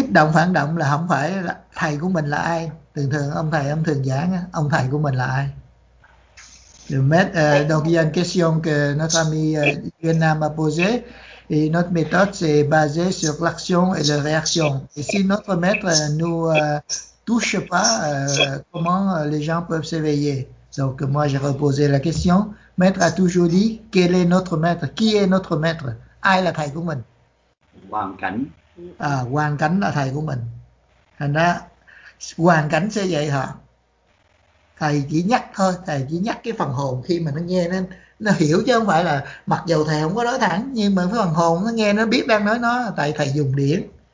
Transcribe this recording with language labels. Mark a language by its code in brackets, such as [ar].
[vi] Kích động phản động là không phải là thầy của mình là ai. Thường thường ông thầy ông thường giảng, ông thầy của mình là ai? [fr] Le maître donc il y a une question que notre ami Yuna m'a posée et notre méthode c'est basé sur l'action et la réaction. Et si notre maître nous touche pas, comment les gens peuvent s'éveiller? Donc moi j'ai reposé la question. Maître a toujours dit quel est notre maître? Qui est notre maître? [vi] Ai là thầy của mình? Hoàn cảnh. À, hoàn cảnh là thầy của mình. Thành ra hoàn cảnh sẽ dạy họ. Thầy chỉ nhắc thôi, thầy chỉ nhắc cái phần hồn khi mà nó nghe nó hiểu, chứ không phải là mặc dầu thầy không có nói thẳng, nhưng mà cái phần hồn nó nghe nó biết đang nói nó, tại thầy dùng điển.